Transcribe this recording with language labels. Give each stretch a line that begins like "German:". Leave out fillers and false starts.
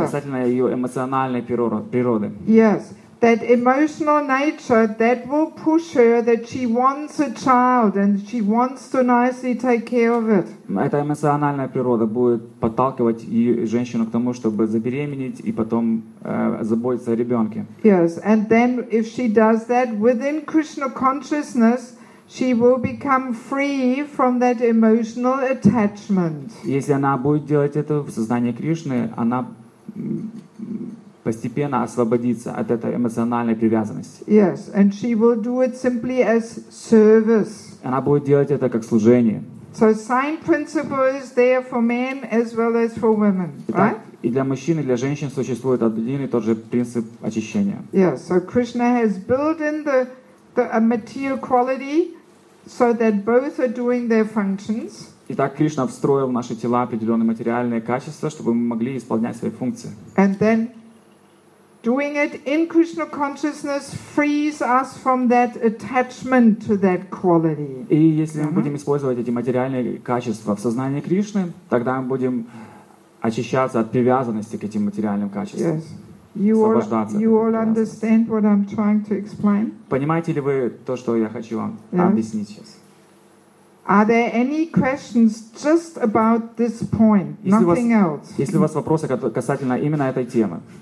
Russian: Касательно ее эмоциональной природы.
English: Yes. That emotional nature that will push her that she wants a child and she wants to nicely take care of it.
Russian: Эта эмоциональная природа будет подталкивать женщину к тому, чтобы забеременеть и потом заботиться о ребенке.
English: Yes, and then if she does that within Krishna consciousness, she will become free from that emotional attachment.
Russian: Если она будет делать это в сознании Кришны, она постепенно освободиться от этой эмоциональной привязанности.
English: Yes, and she will do it simply as service.
Russian: Она будет делать это как служение.
English: So same principle is there for men as well as for women, right?
Russian: И для мужчин и для женщин существует один и тот же принцип очищения.
English: Yes, so Krishna has built in the material quality so that both are doing their functions.
Russian: Итак, Кришна встроил в наши тела определенные материальные качества, чтобы мы могли исполнять свои функции.
English: And then doing it in Krishna consciousness frees us from that attachment to that quality.
Russian: И если мы будем использовать эти материальные качества в сознании Кришны, тогда мы будем очищаться от привязанности к этим материальным качествам.
English: Yes. You all understand what I'm trying to explain?
Russian: Понимаете ли вы то, что я хочу вам объяснить сейчас?
English: Are there any questions just about this point? Nothing else.
Russian: Если у вас вопросы касательно именно этой темы?